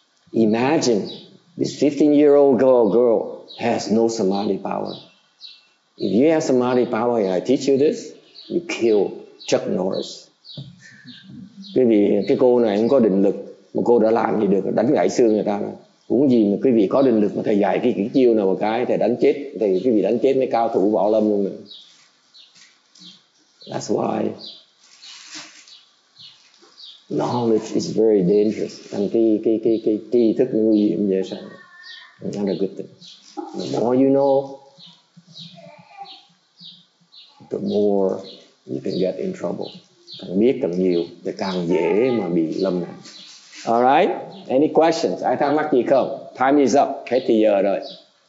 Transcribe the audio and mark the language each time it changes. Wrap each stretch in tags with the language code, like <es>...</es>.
<en>Imagine this 15-year-old girl has no samadhi power. If you have samadhi power and I teach you this, you kill Chuck Norris.</en> <vi>Quý vị, cái cô này không có định lực mà cô đã làm gì được, đánh gãy xương người ta rồi. Cũng gì mà quý vị có định lực mà thầy dạy cái chiêu nào một cái thầy đánh chết, thì quý vị đánh chết mấy cao thủ võ lâm luôn rồi.</vi> <en>That's why knowledge is very dangerous.</en> <vi>Thành cái tri thức nguy hiểm như vậy.</vi> <en>Not a good thing. The more you know, the more you can get in trouble.</en> <vi>Càng biết càng nhiều thì càng dễ mà bị lâm nạn.</vi> <en>Alright, any questions?</en> <vi>Ai thắc mắc gì không?</vi> <en>Time is up.</en> <vi>Hết thì giờ rồi.</vi>